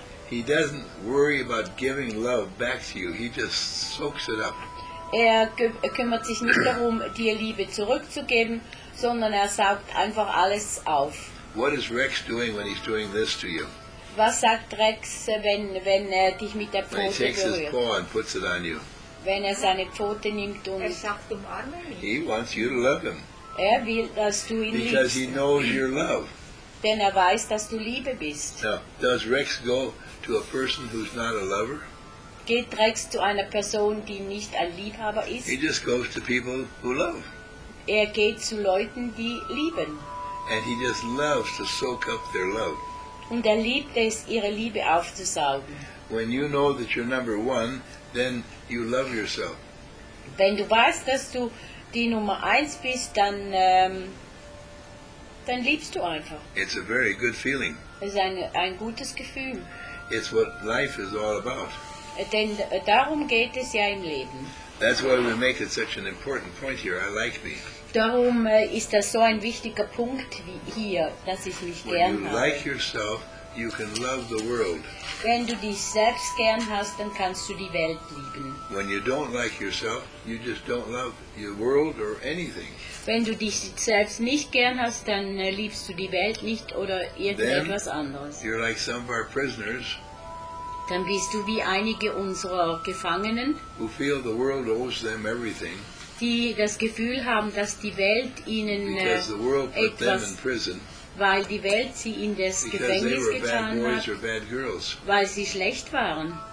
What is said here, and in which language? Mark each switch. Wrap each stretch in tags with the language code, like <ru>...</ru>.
<en>He doesn't worry about giving love back to you. He just soaks it up.</en> <de>Er kümmert sich nicht darum, dir Liebe zurückzugeben, sondern er saugt einfach alles auf.</de> <en>What is Rex doing when he's doing this to you?</en> <de>Was sagt Rex, wenn er dich mit der Pfote berührt?</de> <en>He takes his paw and puts it on you.</en> <de>Wenn er seine Pfote nimmt und er sagt umarme mich.</de> <en>He wants you to love him.</en> <de>Er will, dass du ihn</de> <en>liebst. Because he knows your love.</en> <de>Denn er weiß, dass du Liebe bist.</de> <en>Now, does Rex go to a person who's not a lover?</en> <de>Geht Rex zu einer Person, die nicht ein Liebhaber ist?</de> <en>He just goes to people who love.</en> <de>Er geht zu Leuten, die lieben.</de> <en>And he just loves to soak up their love.</en> <de>Und er liebt es, ihre Liebe aufzusaugen.</de> <en>When you know that you're number one, then you love yourself.</en> <de>Wenn du weißt, dass du die Nummer eins bist, dann liebst du einfach.</de> <en>It's a very good feeling.</en> <de>Es ist ein gutes Gefühl.</de> <en>It's what life is all about.</en> <de>Denn darum geht es ja im Leben.</de> <en>That's why we make it such an important point here. I like me.</en> <de>Darum ist das so ein wichtiger Punkt wie hier, dass ich mich</de> <en>when</en> <de>gern habe.</de> <en>When you like yourself, you can love the world.</en> <de>Wenn du dich selbst gern hast, dann kannst du die Welt lieben.</de> <en>When you don't like yourself, you just don't love your world or anything.</en> <de>Wenn du dich selbst nicht gern hast, dann liebst du die Welt nicht oder irgendetwas anderes.</de> <en>You're like some of our prisoners.</en> <de>Dann bist du wie einige unserer Gefangenen,</de> <en>who feel the world owes them everything,</en> <de>die das Gefühl haben, dass die Welt ihnen etwas, weil die Welt sie in das Gefängnis getan hat, weil sie schlecht waren.</de>